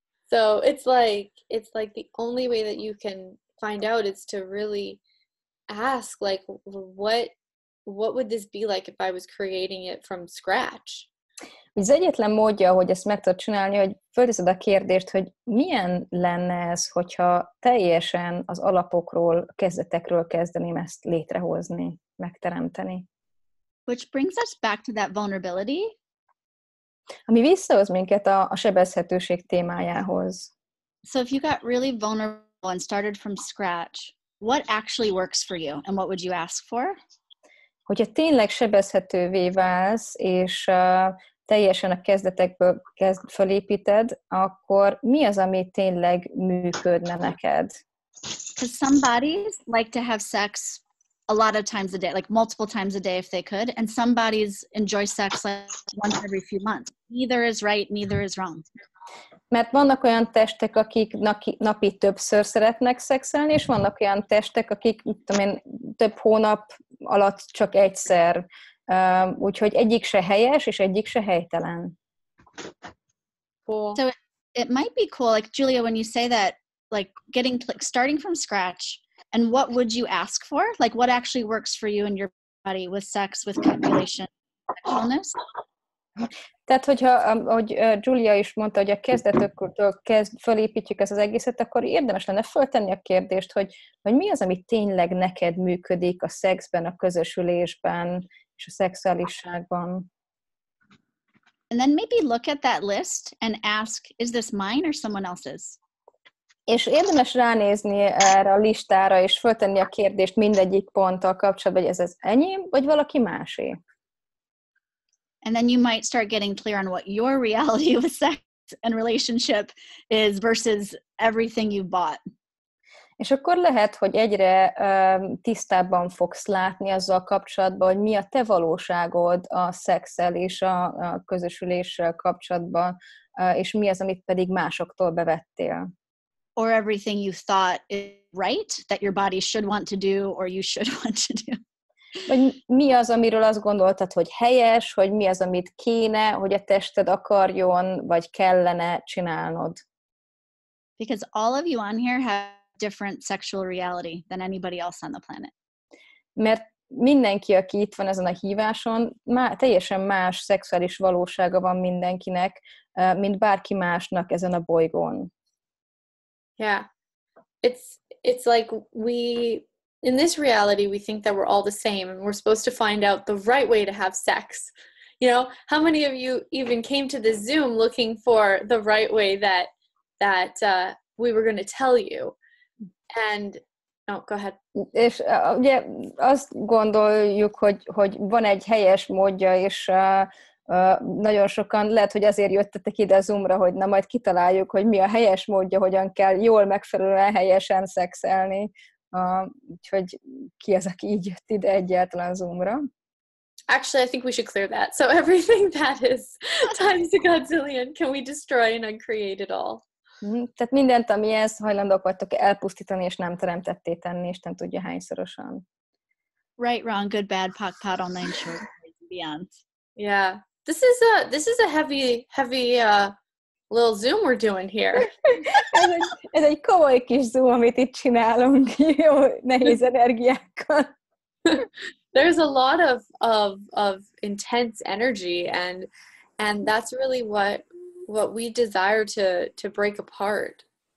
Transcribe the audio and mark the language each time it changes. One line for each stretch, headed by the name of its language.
English: So it's like the only way that you can find out is to really ask, like, what would this be like if I was creating it from scratch?
Hungarian: Az egyetlen módja, hogy ezt meg tudod csinálni, hogy fölteszed a kérdést, hogy milyen lenne ez, hogyha teljesen az alapokról, kezdetekről kezdeném ezt létrehozni, megteremteni.
English: Which brings us back to that vulnerability.
Hungarian: Ami visszahoz minket a sebezhetőség témájához.
English: So if you got really vulnerable and started from scratch, what actually works for you and what would you ask for?
Hungarian: Hogyha tényleg sebezhetővé válsz, és teljesen a kezdetekből fölépíted, akkor mi az, ami tényleg működne neked?
English: Because some bodies like to have sex a lot of times a day, like multiple times a day if they could, and some bodies enjoy sex like once every few months. Neither is right, neither is wrong.
Hungarian: Mert vannak olyan testek, akik napi többször szeretnek szexelni, és vannak olyan testek, akik több hónap alatt csak egyszer. Úgyhogy egyik se helyes, és egyik se helytelen.
English: So it might be cool, like Julia, when you say that, like getting, like starting from scratch, and what would you ask for? Like what actually works for you and your body with sex, with copulation, sexualness?
Hungarian: Tehát, hogyha, ahogy Julia is mondta, hogy a kezdetektől fölépítjük ezt az egészet, akkor érdemes lenne föltenni a kérdést, hogy mi az, ami tényleg neked működik a szexben, a közösülésben és a szexuálisságban.
English: And then maybe look at that list and ask, is this mine or someone else's?
Hungarian: És érdemes ránézni erre a listára és föltenni a kérdést mindegyik ponttal kapcsolatban, hogy ez az enyém vagy valaki másé.
English: And then you might start getting clear on what your reality with sex and relationship is versus everything you've bought.
Hungarian: És akkor lehet, hogy egyre tisztábban fogsz látni azzal kapcsolatban, hogy mi a te valóságod a szexel és a közösüléssel kapcsolatban, és mi az, amit pedig másoktól bevettél.
English: Or everything you thought is right that your body should want to do or you should want to do.
Hungarian: Vagy mi az, amiről azt gondoltad, hogy helyes, hogy mi az, amit kéne, hogy a tested akarjon, vagy kellene csinálnod.
English: Because all of you on here have different sexual reality than anybody else on the planet.
Hungarian: Mert mindenki, aki itt van ezen a híváson, teljesen más szexuális valósága van mindenkinek, mint bárki másnak ezen a bolygón.
English: Yeah. It's like we... In this reality, we think that we're all the same and we're supposed to find out the right way to have sex. You know, how many of you even came to the Zoom looking for the right way that we were going to tell you? And
Hungarian: És ugye azt gondoljuk, hogy van egy helyes módja, és nagyon sokan lehet, hogy azért jöttetek ide Zoomra, hogy na majd kitaláljuk, hogy mi a helyes módja, hogyan kell jól megfelelően helyesen szexelni, úgyhogy ki az, aki így jött ide egyáltalán Zoomra.
English: Actually, I think we should clear that. So everything that is times a godzillion, can we destroy and uncreate it all?
Hungarian: Tehát mindent, ami ez, hajlandók vagytok elpusztítani, és nem teremtetté tenni, és nem tudja hányszorosan.
English: Right, wrong, good, bad, pock, pot, online, short, beyond. Yeah, this is a heavy little Zoom we're doing here.
Hungarian: ez egy komoly kis Zoom, amit itt csinálunk, jó, nehéz energiákkal.
English: There's a lot of intense energy, and that's really what we desire to break apart.